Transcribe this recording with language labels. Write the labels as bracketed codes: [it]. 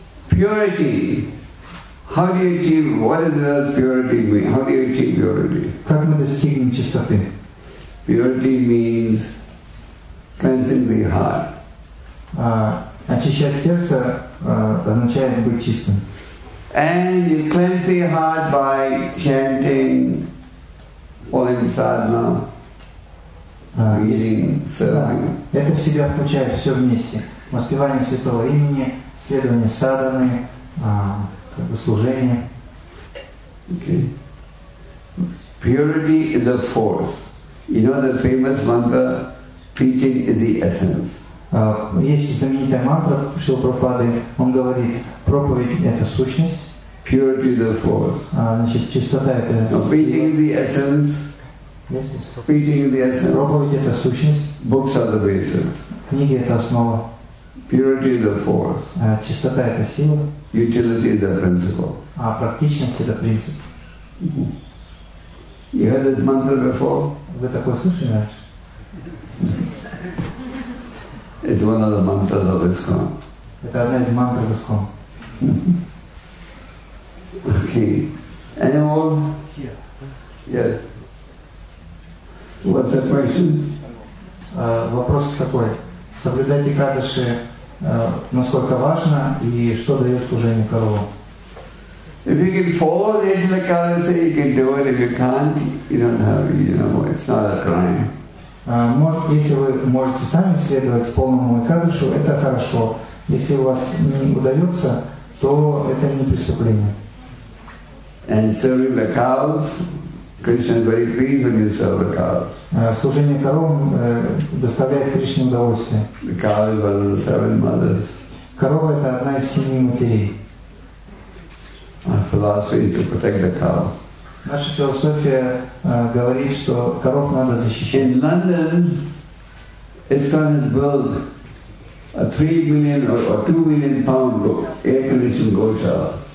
[en] Purity. How do you achieve? What does purity mean? How do you achieve purity? [ru] Как мы достигнем чистоты? [en] Purity means cleansing the heart. [ru] Очищать сердце означает быть чистым. [en] And you cleanse your heart by chanting holy sadhana. [ru] Это в себя включает все вместе. Воспевание святого имени, следование садханы, как бы служение. [en] Purity is the force. You know the famous mantra, preaching is the essence. [ru] Есть знаменитая мантра Шрилы Прабхупады. Он говорит, проповедь это сущность. [en] Purity is the force. [ru] Значит, чистота это. [en] Preaching is the essence. Preaching is the essence. [ru] Проповедь это сущность. [en] Books are the basis. [ru] Книги это основа. [en] Purity is the force. [ru] Чистота это сила. [en] Utility is the principle. [ru] Практичность это принцип. [en] You heard this mantra before? [ru] Вы такое слышали раньше? [en] It's one of the mantras of ISKCON. [ru] Это одна из мантр в ISKCON. [en] Okay. Any more? Yes. What's the question? [ru] Вопрос такой. Соблюдать экадаши насколько важно и что дает служение корову? [en] If you can follow the Ekadasi, you can do it. If you can't, you don't have, you know, it's not a crime. [ru] Если вы можете сами следовать полному Экадашу, это хорошо. Если у вас не удается, то это не преступление. [en] And serving the cows, Krishna is very pleased when you serve the cows. [ru] Служение коровам доставляет Кришне удовольствие. [en] The cow is one of the seven mothers. [ru] Корова это одна из семи матерей. [en] Our philosophy is to protect the cow. [ru] Наша философия говорит, что коров надо защищать. [en] In London, ISKCON has built a 3 million or 2 million pound air-conditioned goshala.